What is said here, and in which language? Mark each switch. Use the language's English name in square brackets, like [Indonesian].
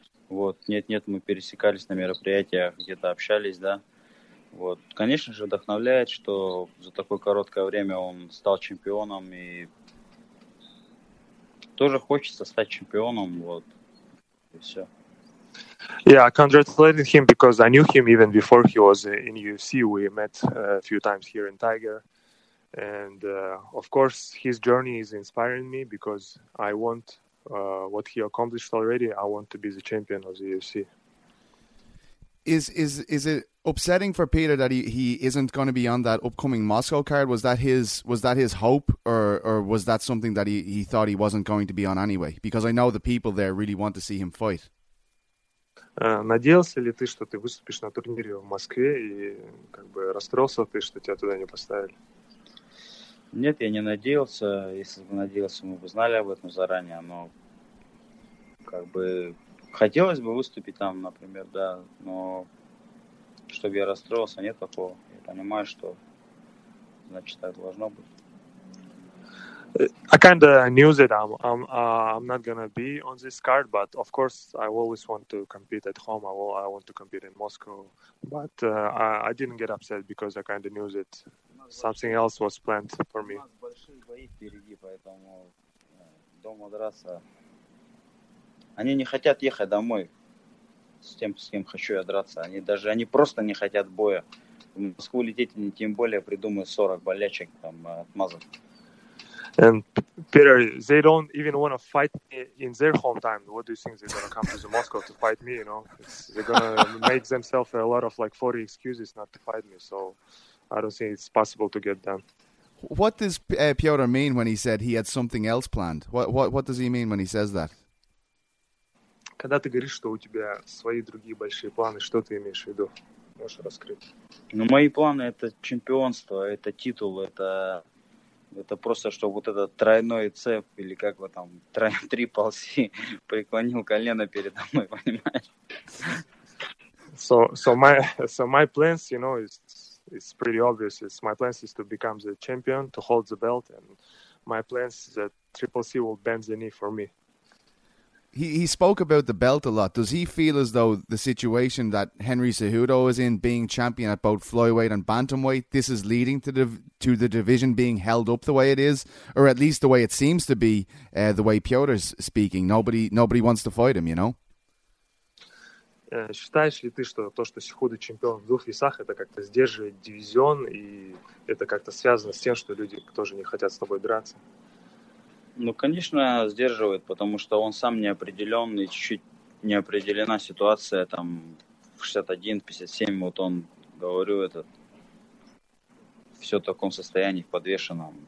[Russian] Вот, нет-нет, мы пересекались на мероприятиях, где-то общались, да. Вот, конечно же, вдохновляет, что за такое короткое время он стал чемпионом, и тоже хочется стать чемпионом, вот, и все. [English] Yeah, I congratulated him because I knew him even before he was in UFC. We met a few times here in Tiger, and of course his journey is inspiring me because I want what he accomplished already. I want to be the champion of the UFC. Is it upsetting for Peter that he isn't going to be on that upcoming Moscow card? Was that his hope, or was that something that he thought he wasn't going to be on anyway? Because I know the people there really want to see him fight. [Russian] Надеялся ли ты, что ты выступишь на турнире в Москве, и как бы расстроился ты, что тебя туда не поставили? Нет, я не надеялся. Если бы надеялся, мы бы знали об этом заранее, но как бы хотелось бы выступить там, например, да, но чтобы я расстроился, нет такого. Я понимаю, что, значит, так должно быть. [English] I kind of knew that I'm not gonna be on this card, but of course I always want to compete at home. I want to compete in Moscow, but I didn't get upset because I kind of knew that something else was planned for me. [Russian] У нас большие бои впереди, поэтому дома драться. Они не хотят ехать домой с тем, с кем хочу я драться. Они просто не хотят боя. В Москву лететь они тем более придумают 40 болячек там отмазок. [English] And Peter, they don't even want to fight me in their home time. What do you think they're gonna come to the Moscow to fight me? You know, they're gonna make themselves a lot of like 40 excuses not to fight me. So I don't think it's possible to get them. What does Piotr mean when he said he had something else planned? What does he mean when he says that? [Russian] Когда ты говоришь, что у тебя свои другие большие планы, что ты имеешь в виду? Можешь раскрыть? Ну, мои планы — это чемпионство, это титул, это просто, что вот этот тройной цеп, или как бы там, триплси, преклонил колено передо мной, понимаешь? [English] So my plans, you know, it's pretty obvious. My plans is to become the champion, to hold the belt, and my plans is that triple C will bend the knee for me. He spoke about the belt a lot. Does he feel as though the situation that Henry Cejudo is in, being champion at both flyweight and bantamweight, this is leading to the division being held up the way it is, or at least the way it seems to be, the way Piotr's speaking? Nobody wants to fight him, you know? [Russian] Считаешь ли ты, что то, что Сихуда чемпион в двух весах, это как-то сдерживает дивизион, и это как-то связано с тем, что люди тоже не хотят с тобой драться? Ну, конечно, сдерживает, потому что он сам неопределенный, чуть-чуть неопределена ситуация, там, 61-57, вот он, говорю, этот, все в таком состоянии, в подвешенном.